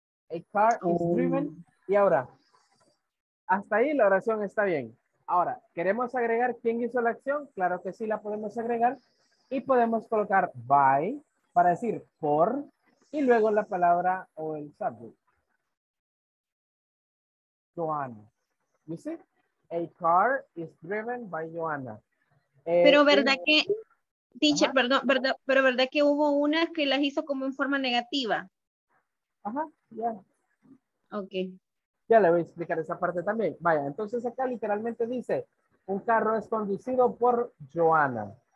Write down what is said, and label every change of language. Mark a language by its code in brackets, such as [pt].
[en] A car is driven. [es] Y ahora, hasta ahí la oración está bien. Ahora, ¿queremos agregar quién hizo la acción? Claro que sí, la podemos agregar. Y podemos colocar by para decir por y luego la palabra o el subject. [en] Joanna. You see? A car is driven by Joanna. [es] Pero verdad que, teacher, ajá, perdón, verdad, pero verdad que hubo una que las hizo como en forma negativa. Ajá, ya. Ok. Ya le voy a explicar esa parte también. Vaya, entonces acá literalmente dice, un carro es conducido por Joana.